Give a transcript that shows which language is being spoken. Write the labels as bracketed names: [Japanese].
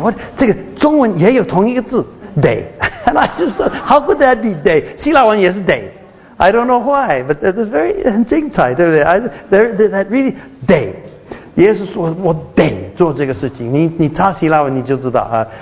[Chinese] What 这个中文也有同一个字得。 [English] And I just thought, how could that be 得？ [Chinese] 希腊文也是得。 [English] I don't know why, but it's very [Chinese] 很精彩，对不对 [English] ？That really 得。 [Chinese] 耶稣说，我得做这个事情。你查希腊文你就知道啊。